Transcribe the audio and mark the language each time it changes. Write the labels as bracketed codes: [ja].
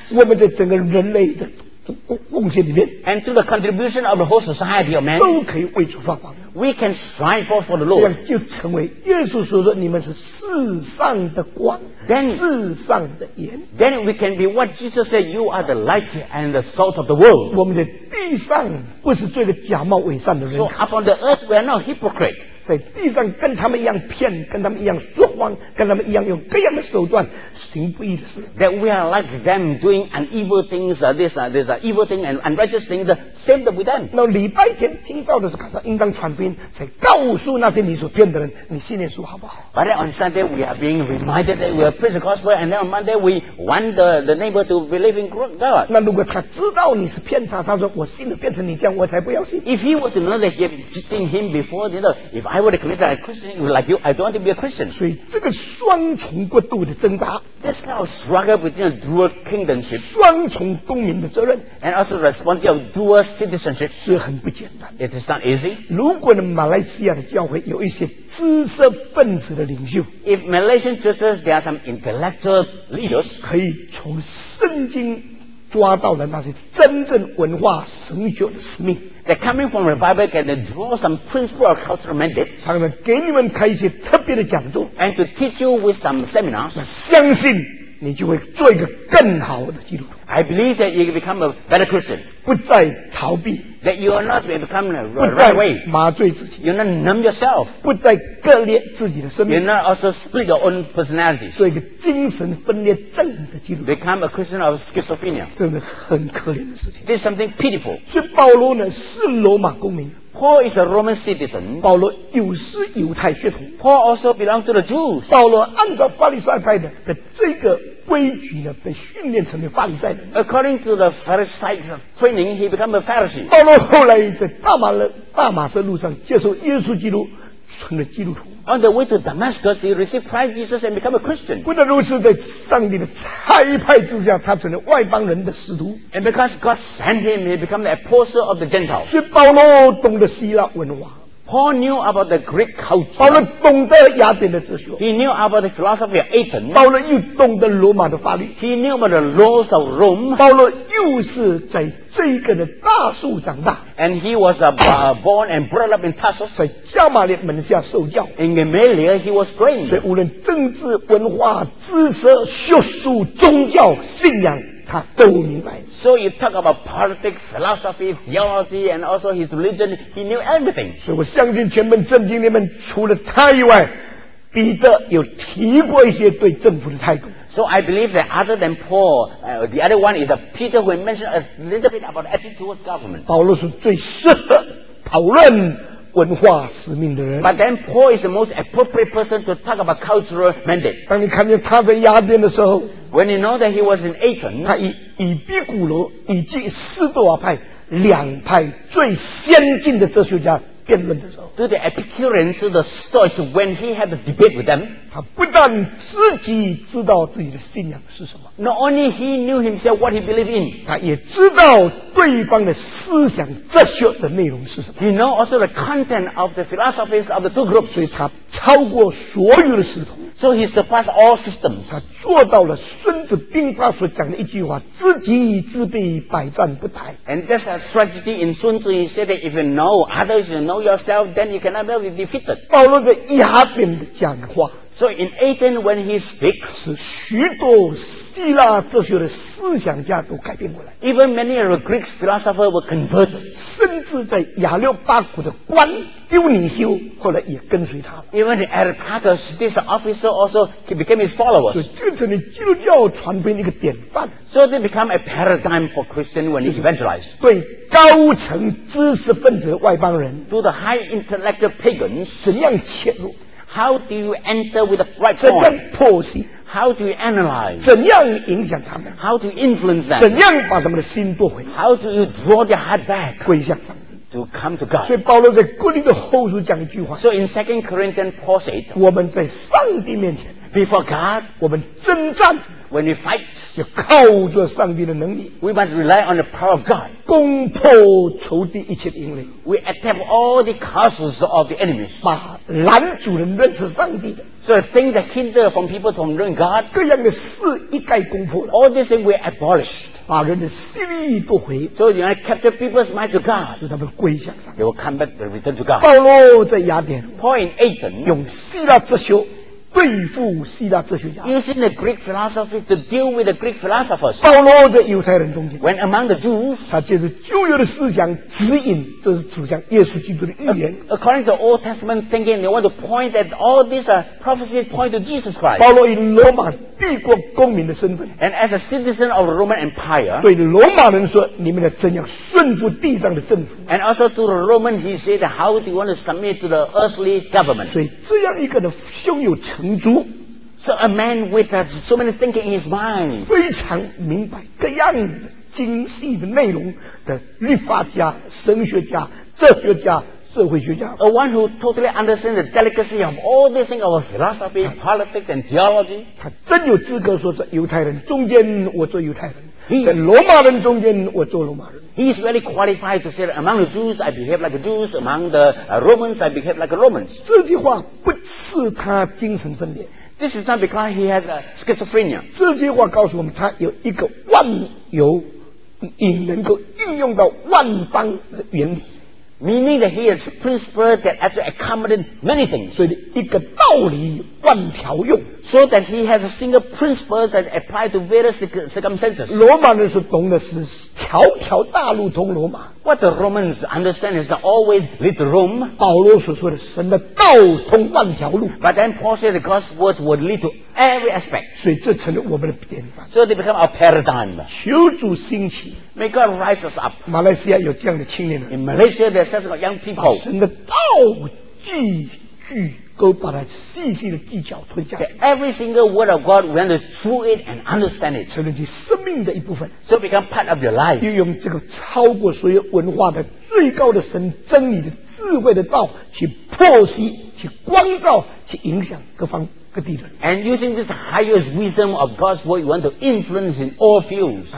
[zh] 我们的整个人类的贡献里面 [en] and to the contribution of the whole society of man, [zh] 都可以为主发光 [en] We can strive for the Lord, [zh] 就成为耶稣所说你们是世上的光 [en] then, [zh] 世上的盐 [en] Then we can be what Jesus said, you are the light and the salt of the world, [zh] 我们的地上不是做个假冒伪善的人 [en] So upon the earth we are not hypocrites [zh] 在地上跟他们一样骗跟他们一样说谎跟他们一样用各样的手段行不义的事 [en] That we are like them doing an evil things, this evil thing and unrighteous things Same with them. [zh] 那礼拜天听到的是刚才应当传福音，才告诉那些你所骗的人，你信耶稣好不好？ [en] But then on Sunday we are being reminded that we are preach the gospel, and then on Monday we want the neighbor to believe in God. [zh] 那如果他知道你是骗他，他说我信了变成你这样，我才不要信。 [en] If he were to know that he had seen him before, you know, if I were to commit a Christian like you, I don't want to be a Christian. [zh] 所以这个双重国度的挣扎。 [en] This kind of struggle between a dual kingdomship, [zh] 双重公民的责任 [en] and also responsibility of dual citizenship, [zh] 是很不简单。 [en] It is not easy. [zh] 如果呢，马来西亚的教会有一些知识分子的领袖 [en] ，If Malaysian churches there are some intellectual leaders, [zh] 可以从圣经抓到了那些真正文化神学的使命。 [en] That coming from the Bible can draw some principle or cultural mandate. [zh] 常常给你们开一些特别的讲座 [en] and to teach you with some seminars. [zh] 相信你就会做一个更好的基督徒 [en] I believe that you become a better Christian. [zh] 不再逃避 [en] that you are not becoming a right way. [zh] 麻醉自己 [en] you're not numb yourself. [zh] 不再割裂自己的生命 [en] you're not also split your own personality. [zh] 做一个精神分裂症的基督徒 [en] become a Christian of schizophrenia. [zh] 真的很可怜的事情 [en] this is something pitiful. [zh] 所以保罗呢是罗马公民 [en] Paul is a Roman citizen. [zh] 保罗有是犹太血统 [en] Paul also belongs to the Jews. [zh] 保罗按照巴利赛派的这个规矩呢，被训练成为法利赛人。 [en] According to the Pharisee training, he became a Pharisee. [zh] 保罗后来在大马色路上接受耶稣基督，成了基督徒。 [en] On the way to Damascus, he received Christ Jesus and became a Christian. [zh] 不但如此，在上帝的差派之下，他成了外邦人的使徒。 [en] And because God sent him, he became the apostle of the Gentiles. [zh] 所以保罗懂得希腊文化。 [en] Paul knew about the Greek culture. [zh] 保罗懂得雅典的哲学。 [en] He knew about the philosophy of Athens. [zh] 保罗又懂得罗马的法律。 [en] He knew about the laws of Rome. [zh] 保罗又是在这个的大树长大。 [en] And he was born and brought up in Tarsus. [zh] 在加马列门下受教。 [en] In Gamaliel, he was trained. [zh] 所以无论政治、文化、知识、学术、宗教、信仰。他都明白。 [en] So you talk about politics, philosophy, theology, and also his religion. He knew everything. [zh] 所以我相信全本圣经里面除了他以外，彼得有提过一些对政府的态度。 [en] So I believe that other than Paul, the other one is a Peter who mentioned a little bit about attitude towards government. [zh] 保罗是最适合讨论文化使命的人。 [en] But then Paul is the most appropriate person to talk about cultural mandate. [zh] 当你看见他在雅典的时候。 [en] When you know that he was in Athens, [zh] 他以比古罗以及斯多瓦派两派最先进的哲学家辩论的时候 [en] to the Epicureans, to the Stoics, when he had a debate with them, [zh] 他不但自己知道自己的信仰是什么 [en] not only he knew himself what he believed in, [zh] 他也知道对方的思想哲学的内容是什么 [en] he know also the content of the philosophies of the two groups, [zh] 所以他超过所有的使徒 [en] So he surpassed all systems. [zh] 他做到了孙子兵法所讲的一句话：知己知彼，百战不殆。 [en] And just a strategy in 孙子 he said that if you know others, you know yourself, then you cannot be defeated. [zh] 保罗在雅典讲话。 [en] So in Athens, when he speaks, [zh] 是许多希腊哲学的思想家都改变过来。 [en] Even many of the Greek philosophers were converted. [zh] 甚至在亚六巴古的官丢尼修后来也跟随他。 [en] Even the Areopagus, this officer also he became his followers. [zh] 就变成了基督教传播一个典范。 [en] So they become a paradigm for Christian when he evangelized. [zh] 对高层知识分子的外邦人 [en] ，to the high intellectual pagans, [zh] 怎样切入？ [en] How do you enter with the right point? [zh] 怎样剖析 [en] How do you analyze? [zh] 怎样影响他们 [en] How to influence them? [zh] 怎样把他们的心夺回 [en] How do you draw their heart back? [zh] 归向上帝 [en] To come to God. [zh] 所以保罗在哥林多后书讲一句话 [en] So in 2 Corinthians, Paul said, [zh] 我们在上帝面前 [en] Before God, [zh] 我们征战 [en] When we fight, [zh] 要靠着上帝的能力 [en] We must rely on the power of God. [zh] 攻破仇敌一切的营垒 [en] We attack all the castles of the enemies. [zh] 把拦阻人认识上帝的 [en] So the thing that hinder from people from knowing God, [zh] 各样的事一概攻破了 [en] All these things we abolish. [zh] 把人的心意夺回 [en] So you want to capture people's mind to God. [zh] 就他们归向上帝 [en] They will come back and return to God. [zh] 保罗在雅典 [en] Paul in Athens, [zh] 用希腊哲学对付希腊哲学家。 [en] Using the Greek philosophy to deal with the Greek philosophers. [zh] 暴露在犹太人中间。 [en] When among the Jews. [zh] 他借着旧约的思想指引，这是指向耶稣基督的预言。 [en] According to Old Testament thinking, they want to point that all these are prophecies point to Jesus Christ. [zh] 暴露以罗马帝国公民的身份。 [en] And as a citizen of the Roman Empire. [zh] 对罗马人说，你们的怎样顺服地上的政府。 [en] And also to the Roman, he said, how do you want to submit to the earthly government? [zh] 所以这样一个的胸有成。 [en] So a man with so many thinking in his mind, [zh] 非常明白各样的精细的内容的律法家、神学家、哲学家、社会学家。 [en] A one who totally understands the delicacy of all these things of philosophy, politics, and theology. [zh] 他真有资格说在犹太人中间我做犹太人，在罗马人中间我做罗马人。 [en] He is very qualified to say, among the Jews, I behave like a Jews. Among the Romans, I behave like a Romans. [zh] 这句话不是他精神分裂。 [en] This is not because he has a schizophrenia. [zh] 这句话告诉我们，他有一个万有引能够应用到万邦的原理。 [en] Meaning that he is principled that has to accommodate many things. [zh] 所以一个道理万条用。 [en] So that he has a single principle that applies to various circumstances. [zh] 罗马人是懂的是条条大路通罗马。 [en] What the Romans understand is that always lead to Rome. [zh] 保罗所说的神的道通万条路。 [en] But then Paul said the God's word would lead to every aspect. [zh] 所以这成了我们的典范。 [en] So they become our paradigm. [zh] 求主兴起。 [en] May God rise us up. [zh] 马来西亚有这样的青年人。 [en] In Malaysia, there are such young people. [zh] 把神的道句句都把它细细的技巧吞下去。 [en] Every single word of God, we want to chew it and understand it. [zh] 成了你生命的一部分。 [en] So become part of your life. [zh] 运用这个超过所有文化的最高的神真理的智慧的道去剖析、去光照、去影响各方各地的。 [en] And using this highest wisdom of God's word, we want to influence in all fields.